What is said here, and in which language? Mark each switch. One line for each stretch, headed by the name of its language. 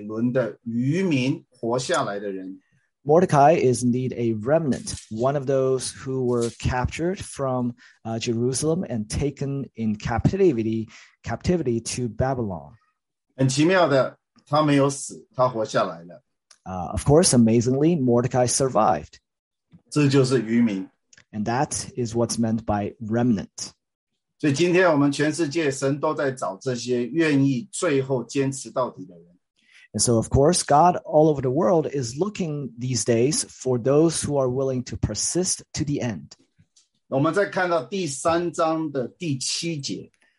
Chinese: 莫迪凯就是其中一个从耶路撒冷被掳到巴比伦的渔民活下来的人。
English: Mordecai is indeed a remnant, one of those who were captured from Jerusalem and taken in captivity to Babylon.
Chinese: 很奇妙的，他没有死，他活下来了。
English: Of course, amazingly, Mordecai survived.
Chinese: 这就是渔民。
English: And that is what's meant by remnant.
Chinese: 所以今天我们全世界神都在找这些愿意最后坚持到底的人。
English: And so, of course, God all over the world is looking these days for those who are willing to persist to the end.
Chinese: 我们再看到第三章的第七节。